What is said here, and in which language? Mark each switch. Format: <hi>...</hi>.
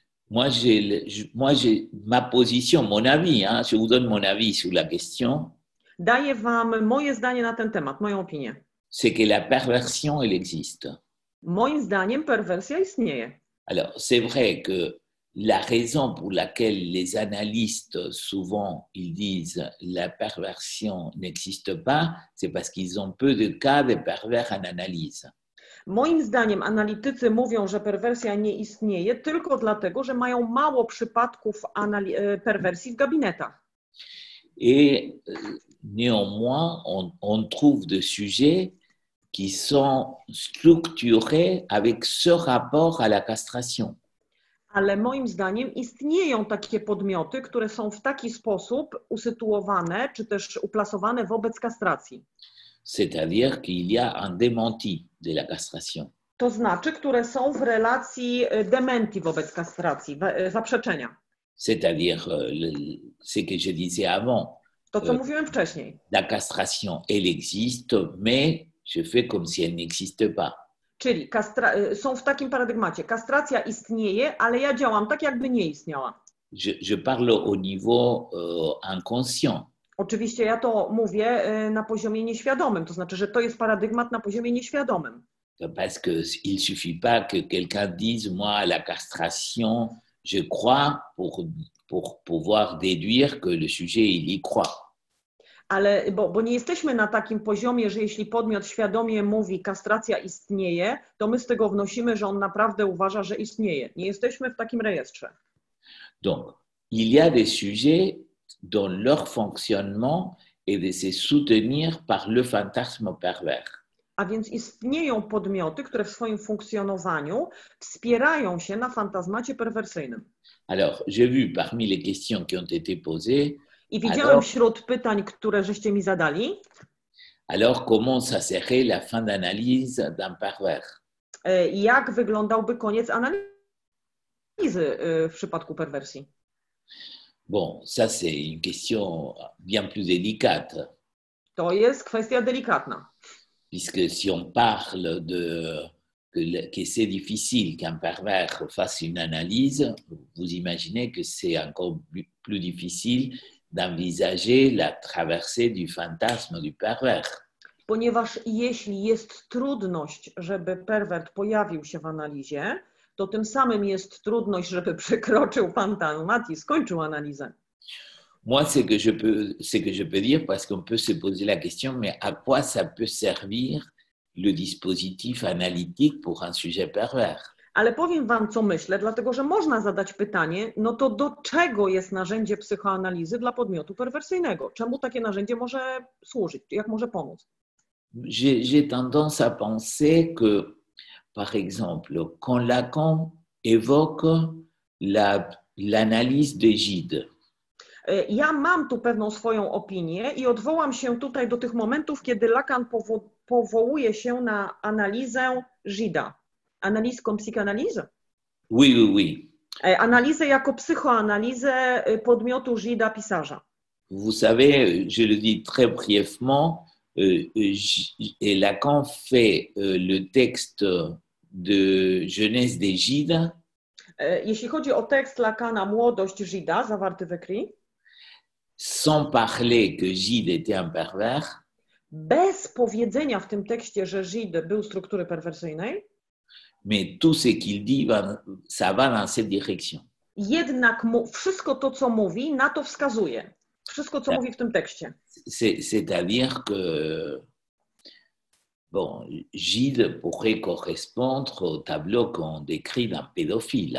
<fr>Ma position, mon avis, hein, je vous donne mon avis sur la question.</fr> <pl>Daję wam moje zdanie na ten temat, moją opinię.</pl> <fr>C'est que la perversion, elle existe.</fr> <pl>Moim zdaniem perwersja istnieje.</pl> <fr>Alors, c'est vrai que la raison pour laquelle les analystes, souvent, ils disent la perversion n'existe pas, c'est parce qu'ils ont peu de cas de pervers en analyse.</fr> <pl>Moim zdaniem analitycy mówią, że perwersja nie istnieje tylko dlatego, że mają mało przypadków perwersji w gabinetach.</pl> <fr>Et néanmoins, on trouve des sujets qui sont structurés avec ce rapport à la castration.</fr> <pl>Ale moim zdaniem istnieją takie podmioty, które są w taki sposób usytuowane czy też uplasowane wobec kastracji.</pl> <fr>C'est-à-dire qu'il y a un démenti de la castration.</fr> <pl>To znaczy, które są w relacji dementi wobec kastracji, zaprzeczenia.</pl> <fr>C'est-à-dire ce que je disais avant.</fr> <pl>To co mówiłem wcześniej.</pl> <fr>La castration, elle existe, mais je fais comme si elle n'existe pas.</fr> <pl>Czyli są w takim paradygmacie. Kastracja istnieje, ale ja działam tak, jakby nie istniała.</pl> <fr>Je parle au niveau inconscient.</fr> <pl>Oczywiście ja to mówię na poziomie nieświadomym, to znaczy, że to jest paradygmat na poziomie nieświadomym.</pl> <fr>Parce que il suffit pas que quelqu'un dise moi la castration, je crois pour pouvoir déduire que le sujet il y croit.</fr> <pl>Ale bo nie jesteśmy na takim poziomie, że jeśli podmiot świadomie mówi kastracja istnieje, to my z tego wnosimy, że on naprawdę uważa, że istnieje. Nie jesteśmy w takim rejestrze.</pl> <fr>Donc, il y a des sujets dans leur fonctionnement et de se soutenir par le fantasme pervers.</fr> <pl>A więc istnieją podmioty, które w swoim funkcjonowaniu wspierają się na fantazmacie perwersyjnym.</pl> <fr>Alors, j'ai vu parmi les questions qui ont été posées.</fr> <pl>I widziałem alors, wśród pytań, które żeście mi zadali.</pl> <fr>Alors, comment ça serait la fin d'analyse d'un pervers?</fr> <pl>Jak wyglądałby koniec analizy w przypadku perwersji?</pl> <fr>Bon, ça c'est une question bien plus délicate.</fr> <pl>To jest kwestia delikatna.</pl> <fr>Puisque si on parle de que c'est difficile qu'un pervers fasse une analyse, vous imaginez que c'est encore plus difficile d'envisager la traversée du fantasme du pervers.</fr> <pl>Ponieważ jeśli jest trudność, żeby pervert pojawił się w analizie, to tym samym jest trudność, żeby przekroczył fantazmat i skończył analizę.</pl> <fr>Moi, ce que je peux dire, parce qu'on peut se poser la question, mais à quoi ça peut servir le dispositif analytique pour un sujet pervers?</fr> <pl>Ale powiem wam, co myślę, dlatego że można zadać pytanie, no to do czego jest narzędzie psychoanalizy dla podmiotu perwersyjnego? Czemu takie narzędzie może służyć? Jak może pomóc?</pl> <fr>J'ai tendance à penser que, par exemple, quand Lacan évoque l'analyse de Gide.</fr> <pl>Ja mam tu pewną swoją opinię i odwołam się tutaj do tych momentów, kiedy Lacan powołuje się na analizę Gida. Analizę jako psychoanalizę?</pl> <fr>Oui, oui, oui.</fr> <pl>Analizę jako psychoanalizę podmiotu Gida, pisarza.</pl> <fr>Vous savez, je le dis très brièvement, et Lacan fait le texte de Jeunesse de Gide.</fr> <pl>Jeśli chodzi o tekst Lacana Młodość Gida, zawarty we Cri.</pl> <fr>Sans parler que Gide était un pervers.</fr> <pl>Bez powiedzenia w tym tekście, że Gide był struktury perwersyjnej.</pl> <fr>Mais tout ce qu'il dit, ça va dans cette direction.</fr> <pl>Jednak wszystko to, co mówi, na to wskazuje. Wszystko, co mówi w tym tekście.</pl> <fr>C'est-à-dire que bon, Gide pourrait correspondre au tableau qu'on décrit d'un pédophile.</fr>